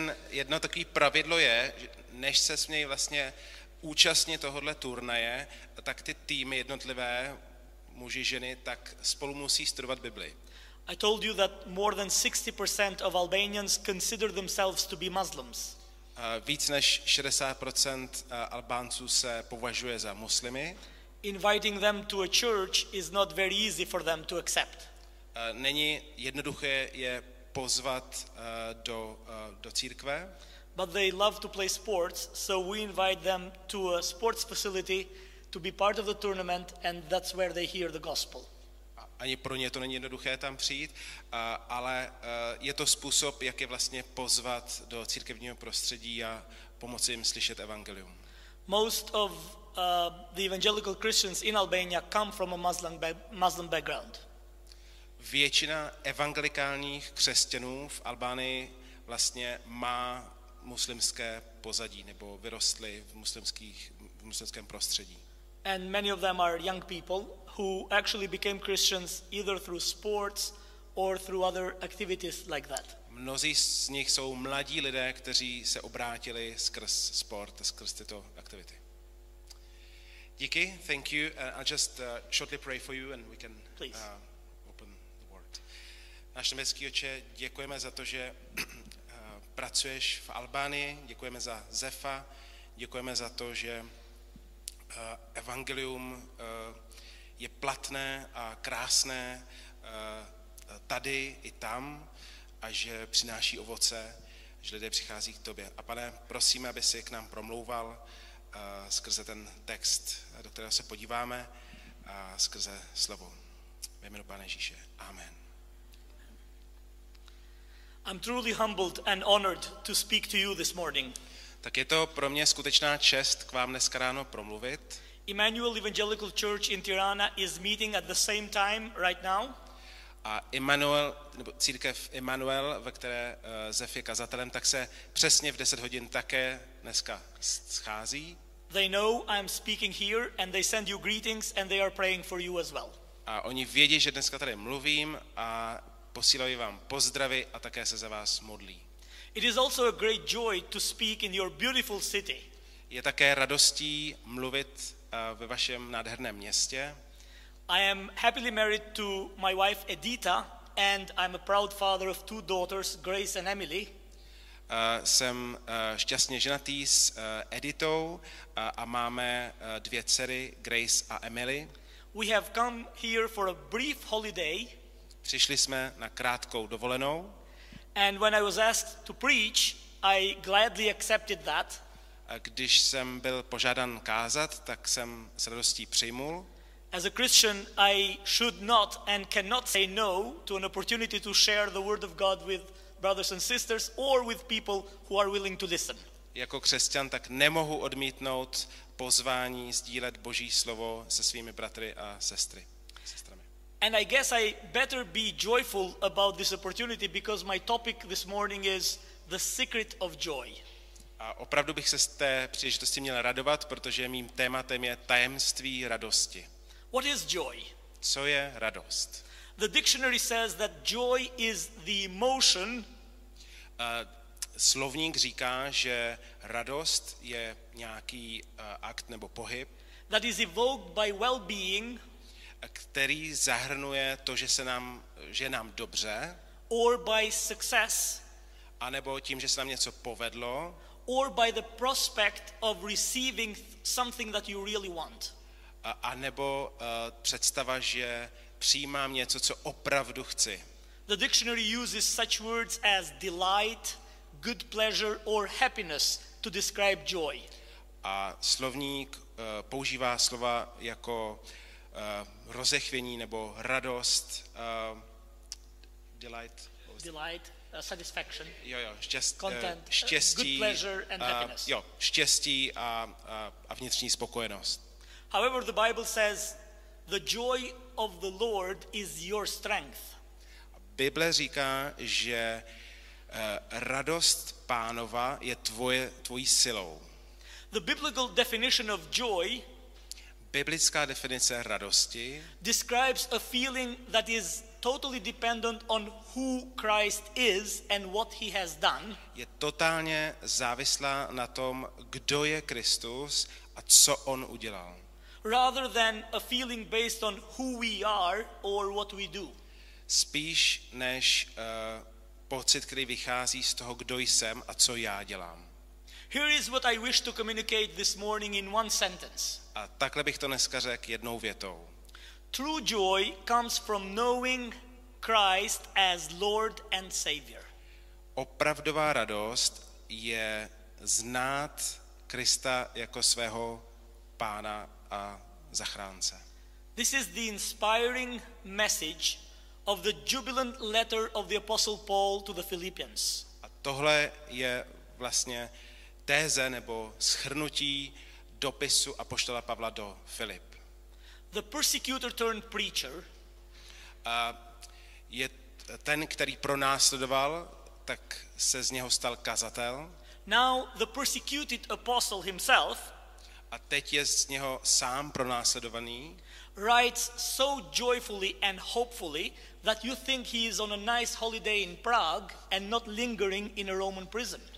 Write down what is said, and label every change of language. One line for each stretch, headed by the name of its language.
Czech: Jedno takové pravidlo je, že než se smějí vlastně účastnit tohohle turnaje, tak ty týmy jednotlivé, muži, ženy, tak spolu musí studovat Bibli.
English: I told you that more than 60% of Albanians consider themselves to be Muslims.
Czech: Víc než 60% Albánců se považuje za muslimy.
English: inviting them to a church is not very easy for them to accept.
Czech: Není jednoduché je pozvat do církve.
English: But they love to play sports, so we invite them to a sports facility to be part of the tournament, and that's where they hear the gospel.
Czech: Ani pro ně to není jednoduché tam přijít, ale je to způsob, jak je vlastně pozvat do církevního prostředí a pomoci jim slyšet evangelium.
English: Most of the evangelical Christians in Albania come from a Muslim background.
Czech: Většina evangelikálních křesťanů v Albánii vlastně má muslimské pozadí nebo vyrostli v muslimském prostředí.
English: And many of them are young people who actually became Christians either through sports or through other activities like that.
Czech: Mnozí z nich jsou mladí lidé, kteří se obrátili skrz sport, skrz tyto aktivity. Díky,
English: thank you. I'll just shortly pray for you and we can open the word.
Czech: Náš nebeský Otče, děkujeme za to, že pracuješ v Albánii, děkujeme za Zefa, děkujeme za to, že evangelium je platné a krásné tady i tam a že přináší ovoce, že lidé přichází k tobě. A pane, prosíme, aby si k nám promlouval skrze ten text, do kterého se podíváme, a skrze slovo. Ve jménu Pane Ježíše. Amen.
English: I'm truly humbled and honored to speak to you this morning.
Czech: Tak je to pro mě skutečná čest k vám dneska ráno promluvit.
English: Emmanuel Evangelical Church in Tirana is meeting at the same time right now.
Czech: A Emmanuel, nebo církev Emmanuel, ve které Zef je kazatelem, tak se přesně v 10 hodin také dneska schází.
English: They know I'm speaking here and they send you greetings and they are praying for you as well.
Czech: A oni vědí, že dneska tady mluvím a posílají vám pozdravy a také se za vás modlí.
English: It is also a great joy to speak in your beautiful city.
Czech: Je také radostí mluvit ve vašem nádherném městě.
English: I am happily married to my wife Editha and I'm a proud father of two daughters, Grace and Emily.
Czech: Jsem šťastně ženatý s Editou a máme dvě dcery, Grace a Emily.
English: We have come here for a brief holiday.
Czech: Přišli jsme na krátkou dovolenou.
English: And when I was asked to preach, I gladly accepted that.
Czech: Když jsem byl požádán kázat, tak jsem s radostí přijmul.
English: As a Christian, I should not and cannot say no to an opportunity to share the word of God with brothers and sisters or with people who are willing to listen.
Czech: Jako křesťan tak nemohu odmítnout pozvání sdílet Boží slovo se svými bratry a sestry.
English: And I guess I better be joyful about this opportunity because my topic this morning is the secret of joy.
Czech: A opravdu bych se z té příležitosti měl radovat, protože mým tématem je tajemství radosti.
English: What is joy?
Czech: Co je radost?
English: The dictionary says that joy is the emotion.
Czech: Slovník říká, že radost je nějaký akt nebo pohyb.
English: That is evoked by well-being.
Czech: Který zahrnuje to, že se nám, že nám dobře,
English: or by success,
Czech: anebo tím, že se nám něco povedlo,
English: or by the prospect of receiving something that you really want,
Czech: anebo představa, že přijímám něco, co opravdu chci.
English: The dictionary uses such words as delight, good pleasure or happiness to describe joy.
Czech: A slovník používá slova jako rozechvění nebo radost, delight,
English: delight, satisfaction,
Czech: štěstí,
English: good pleasure and happiness.
Czech: Jo, štěstí a vnitřní spokojenost.
English: However, the Bible says the joy of the Lord is your strength.
Czech: Bible říká, že radost Pánova je tvojí silou.
English: The biblical definition of joy,
Czech: biblická definice radosti,
English: describes a feeling that is totally dependent on who Christ is and what he has done.
Czech: Je totálně závislá na tom, kdo je Kristus a co on udělal.
English: Rather than a feeling based on who we are or what we do.
Czech: Spíš než pocit, který vychází z toho, kdo jsem a co já dělám.
English: Here is what I wish to communicate this morning in one sentence.
Czech: A takhle bych to dneska řekl jednou větou.
English: True joy comes from knowing Christ as Lord and Savior.
Czech: Opravdová radost je znát Krista jako svého pána a zachránce.
English: This is the inspiring message of the jubilant letter of the Apostle Paul to the Philippians.
Czech: A tohle je vlastně téze nebo shrnutí dopisu apoštola Pavla do Filip.
English: The persecutor turned preacher.
Czech: Je ten, který pronásledoval, tak se z něho stal kazatel.
English: Now the persecuted apostle himself.
Czech: A teď je z něho sám pronásledovaný.
English: Writes so joyfully and hopefully that you think he is on a nice holiday in Prague and not lingering in a Roman prison.